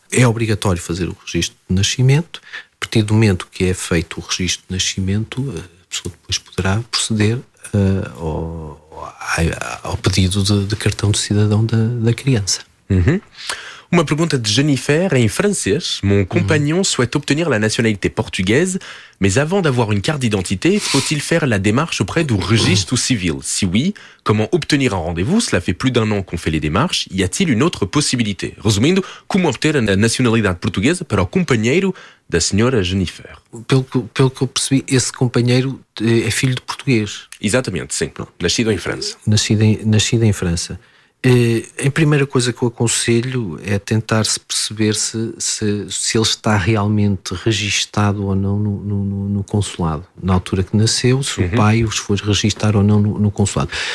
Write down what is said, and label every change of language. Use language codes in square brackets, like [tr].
[pt] É obrigatório fazer o registro de nascimento. A partir do momento que é feito o registro de nascimento, a pessoa depois poderá proceder ao pedido de cartão de cidadão da criança. Uhum. Uma pergunta de Jennifer em francês. [fr] Mon compagnon souhaite obtenir la nationalité portugaise, mais avant d'avoir une carte d'identité, faut-il faire la démarche auprès du registre civil? Si oui, comment obtenir un rendez-vous? Cela fait plus d'un an qu'on fait les démarches. Y a-t-il une autre possibilité? [pt] Resumindo, comment obter [fr] la nationalité portugaise [pt] para o companheiro da senhora Jennifer? Pelo que eu percebi, esse companheiro é filho de português. Exatamente, sim. Nascido em França. Nascido em França. Em primeira coisa que eu aconselho é tentar-se perceber se ele está realmente registado ou não no consulado, na altura que nasceu, se o pai os foi registar ou não no consulado.